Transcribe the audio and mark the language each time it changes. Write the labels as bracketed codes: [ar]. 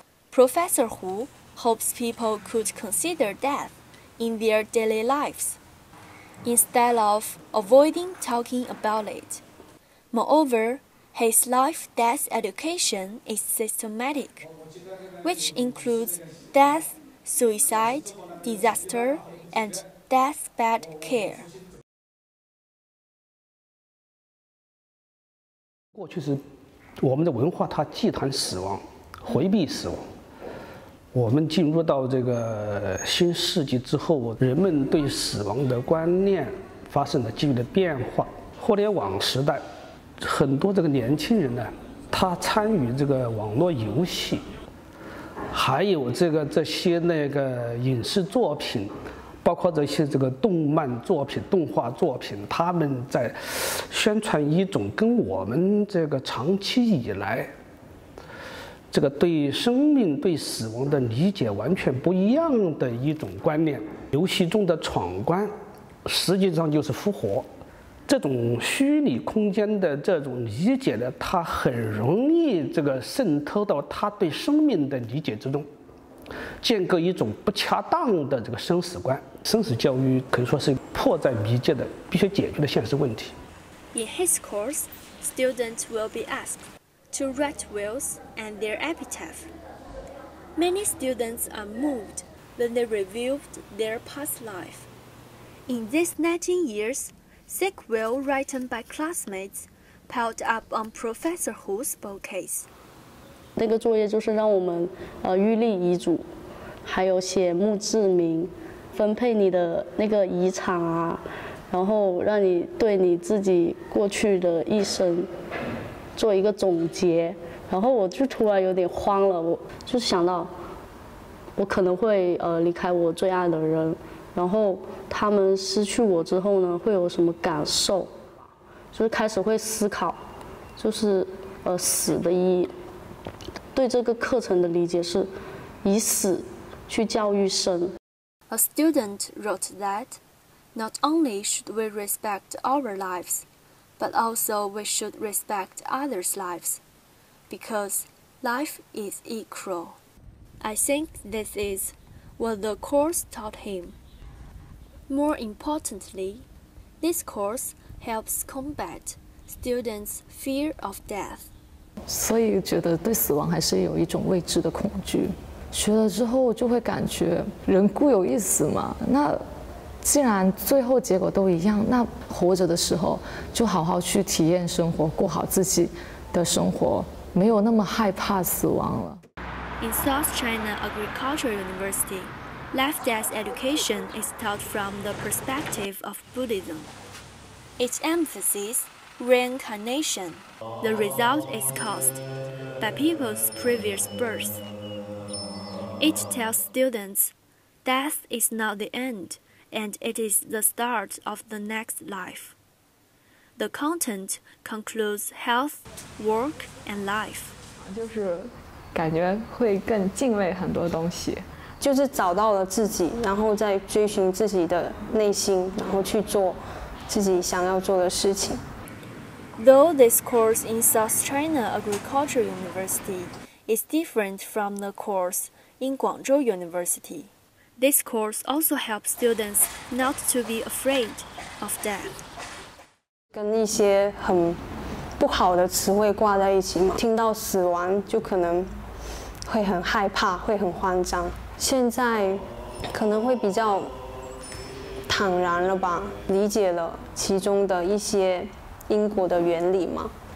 [en] Professor Hu hopes people could consider death in their daily lives, instead of avoiding talking about it. Moreover, his life-death education is systematic, which includes death, suicide, disaster, and deathbed care. [zh] 过去是我们的文化，它忌谈死亡，回避死亡。我们进入到这个新世纪之后，人们对死亡的观念发生了剧烈的变化。互联网时代，很多这个年轻人呢，他参与这个网络游戏，还有这些那个影视作品，包括这些这个动漫作品、动画作品，他们在宣传一种跟我们这个长期以来这个对生命、对死亡的理解完全不一样的一种观念。游戏中的闯关实际上就是复活，这种虚拟空间的这种理解呢，它很容易这个渗透到他对生命的理解之中，建构一种不恰当的这个生死观。生死教育可以说是迫在眉睫的必须解决的现实问题。 [en] In his course, students will be asked to write wills and their epitaph. Many students are moved when they revealed their past life. In these 19 years, sick will written by classmates piled up on Professor Hu's bookcase. [zh] 那个作业就是让我们预立遗嘱，还有写墓志铭，分配你的那个遗产啊，然后让你对你自己过去的一生做一个总结。然后我就突然有点慌了，我就想到我可能会离开我最爱的人，然后他们失去我之后呢会有什么感受，就是开始会思考，就是死的意义，对这个课程的理解是以死去教育生。 [en] A student wrote that not only should we respect our lives, but also we should respect others' lives, because life is equal. I think this is what the course taught him. More importantly, this course helps combat students' fear of death. [zh] 所以觉得对死亡还是有一种未知的恐惧。学了之后就会感觉人固有一死嘛，那既然最后结果都一样，那活着的时候就好好去体验生活，过好自己的生活，没有那么害怕死亡了。 [en] In South China Agricultural University, life death education is taught from the perspective of Buddhism. Its emphasis reincarnation. The result is caused by people's previous births. It tells students death is not the end. And it is the start of the next life. The content concludes health, work, and life. [zh] 就是感觉会更敬畏很多东西，就是找到了自己，然后再追寻自己的内心，然后去做自己想要做的事情。 [en] Though this course in South China Agricultural University is different from the course in Guangzhou University. This course also helps students not to be afraid of death. [zh] 跟一些很不好的词汇挂在一起嘛，听到死亡就可能会很害怕，会很慌张。现在可能会比较坦然了吧，理解了其中的一些因果的原理嘛。